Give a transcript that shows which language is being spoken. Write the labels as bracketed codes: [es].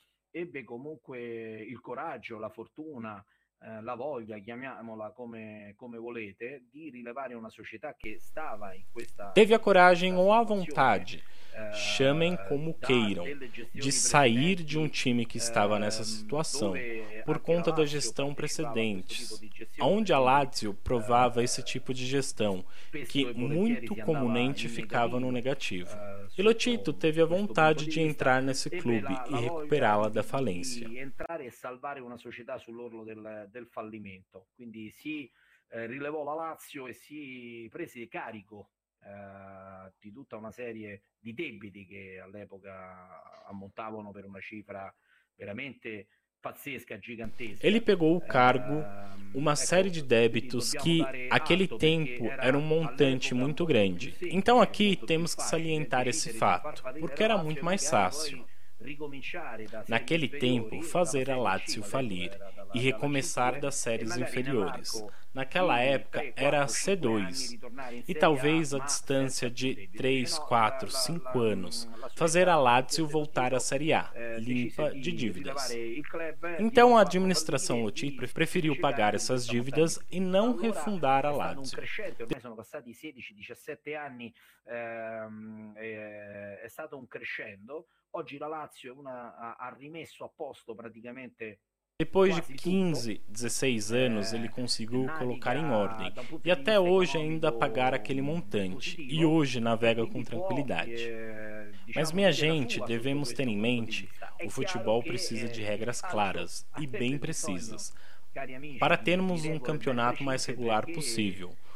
[it] Ebbe comunque il coraggio, la fortuna, la voglia, chiamiamola come volete, di rilevare una società che stava in questa. [pt] Teve a coragem ou a vontade, chamem como queiram, de sair de um time que estava nessa situação, por conta da gestão precedente, onde a Lazio provava esse tipo de gestão, que muito comumente ficava no negativo. E Lotito teve a vontade de entrar nesse clube e recuperá-la da falência. Entrar e salvar uma sociedade [it] sull'orlo del fallimento. Quindi si rilevò la Lazio e si prese carico di tutta una serie di debiti che all'epoca ammontavano per una cifra veramente pazzesca, gigantesca. [pt] Ele pegou o cargo, uma série de débitos que, aquele tempo, era um montante muito grande. Então aqui temos que salientar esse fato, porque era muito mais fácil. Naquele tempo, fazer a Lazio falir e recomeçar das séries inferiores. Naquela época era a C2, e talvez a distância de 3, 4, 5 anos, fazer a Lazio voltar à Série A, limpa de dívidas. Então a administração Lotito preferiu pagar essas dívidas e não refundar a Lazio. [it] Sono passati 16, 17 anni, è stato un crescendo. Oggi la Lazio ha rimesso a posto praticamente. [pt] Depois de 15, 16 anos, ele conseguiu colocar em ordem e até hoje ainda pagar aquele montante e hoje navega com tranquilidade. Mas, minha gente, devemos ter em mente, o futebol precisa de regras claras e bem precisas para termos um campeonato mais regular possível.